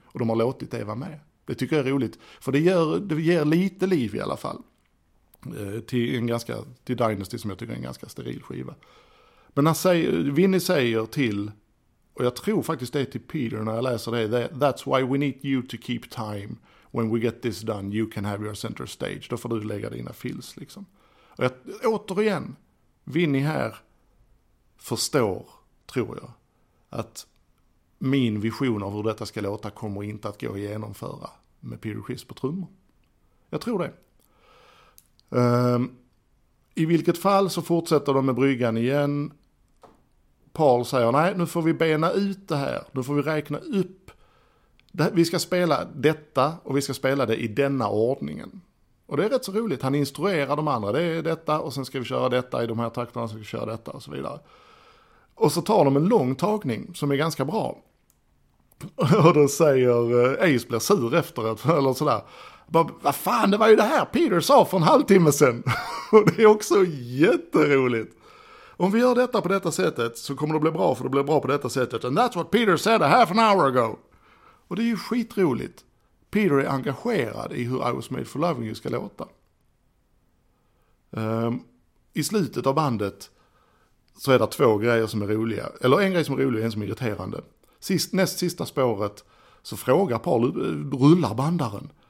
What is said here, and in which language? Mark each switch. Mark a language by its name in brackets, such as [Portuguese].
[Swedish] Och de har låtit det vara med. Det tycker jag är roligt. För det ger lite liv i alla fall. Till Dynasty, som jag tycker är en ganska steril skiva. Men Vinny säger till, och jag tror faktiskt det är till Peter när jag läser det: [English] "That's why we need you to keep time. When we get this done, you can have your center stage." [Swedish] Då får du lägga dina fills liksom. Och återigen, Vinny här förstår, tror jag, att min vision av hur detta ska låta kommer inte att gå att genomföra med Peter Criss på trummor. Jag tror det. I vilket fall så fortsätter de med bryggan igen. Paul säger: "Nej, nu får vi bena ut det här. Nu får vi räkna upp det, vi ska spela detta och vi ska spela det i denna ordningen." Och det är rätt så roligt. Han instruerar de andra: "Det är detta och sen ska vi köra detta i de här takterna, så ska vi köra detta" och så vidare. Och så tar de en lång tagning som är ganska bra. Och då säger Ace, blir sur efteråt eller sådär: "Vad fan, det var ju det här Peter sa för en halvtimme sedan." Och det är också jätteroligt. "Om vi gör detta på detta sättet så kommer det bli bra, för det blir bra på detta sättet. [English] And that's what Peter said a half an hour ago." [Swedish] Och det är ju skitroligt. Peter är engagerad i hur I Was Made for Loving You ska låta. I slutet av bandet så är det 2 grejer som är roliga. Eller en grej som är rolig och en som är irriterande. Näst sista spåret så frågar Paul: "Rullar bandaren?